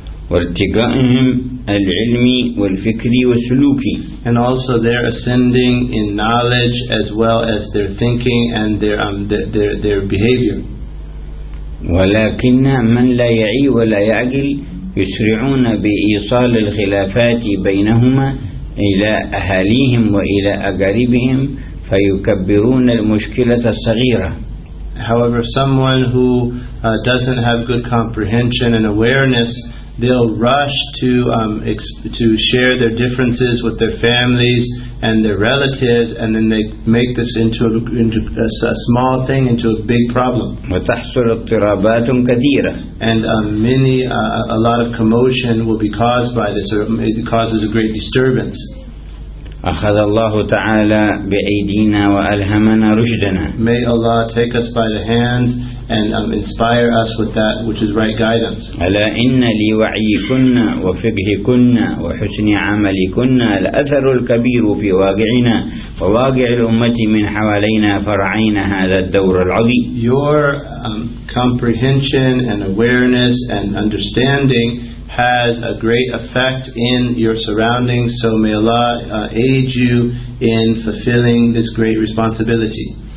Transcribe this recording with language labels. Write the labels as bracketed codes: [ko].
[ar] وارتقائهم العلمي والفكري والسلوكي. [en] And also they're ascending in knowledge as well as their thinking and their behavior. [ar] ولكن من لا يعي ولا يعقل يسرعون بإيصال الخلافات بينهما إلى أهاليهم وإلى أقاربهم فيكبرون المشكلة الصغيرة. [en] However, someone who doesn't have good comprehension and awareness, they'll rush to share their differences with their families and their relatives, and then they make this into a small thing, into a big problem. [ar] وتحصل اضطرابات كثيرة. [en] And a lot of commotion will be caused by this, or it causes a great disturbance. [ar] أخذ الله تعالى بأيدينا وألهمنا رشدنا. [en] May Allah take us by the hand and inspire us with that which is right guidance. [ar] ألا إن لوعيكن وفقهكن وحسن عملكن الأثر الكبير في واقعنا وواقع الأمة من حوالينا فرعين هذا الدور العظيم. [en] Your comprehension and awareness and understanding has a great effect in your surroundings, so may Allah aid you in fulfilling this great responsibility.